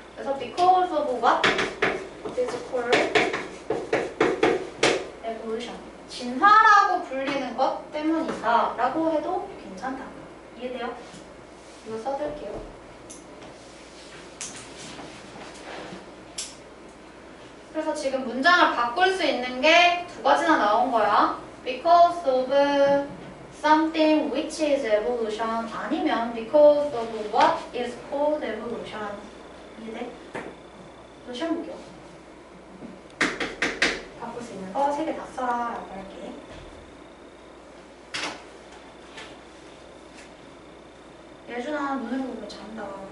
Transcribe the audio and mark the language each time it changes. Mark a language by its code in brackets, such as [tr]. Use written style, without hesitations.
[ko] 그래서 [en] because of what is called evolution [ko] 진화라고 불리는 것 때문이다 라고 해도 괜찮다. 이해돼요? 이거 써둘게요. 그래서 지금 문장을 바꿀 수 있는 게 두 가지나 나온 거야. [en] Because of something which is evolution [ko] 아니면 [en] because of what is called evolution. [ko] 이해돼? 또 시험 볼게요. 바꿀 수 있는 거 세 개 다 써라 라고 할게. 예준아 눈을 보면 잔다.